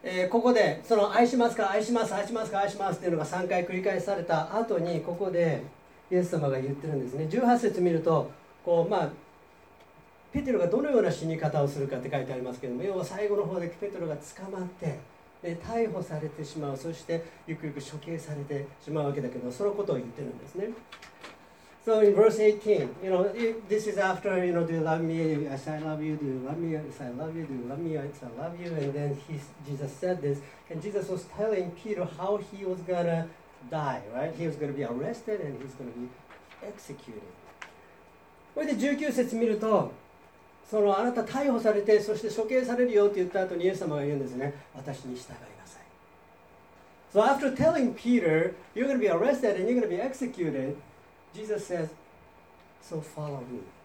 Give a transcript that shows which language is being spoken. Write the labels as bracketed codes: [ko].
[ja] ここでその愛しますか愛します愛しますか愛しますというのが3回繰り返された後にここでイエス様が言ってるんですね。 18節見るとこう、まあ、ペテロがどのような死に方をするかって書いてありますけども要は最後の方でペテロが捕まってで逮捕されてしまうそしてゆくゆく処刑されてしまうわけだけどそのことを言ってるんですね。 [en] So in verse 18 you know, this is after you know, do you love me as I love you do you love me as I love you do you love me as I love you and then Jesus said this and Jesus was telling Peter how he was gonna die right? He was gonna be arrested and he's gonna be executed. [ja] これで19節見るとそのあなた逮捕されてそして処刑されるよって言った後にイエス様が言うんですね。私に従いなさい。 [en] So after telling Peter you're going to be arrested and you're going to be executed Jesus says So follow me.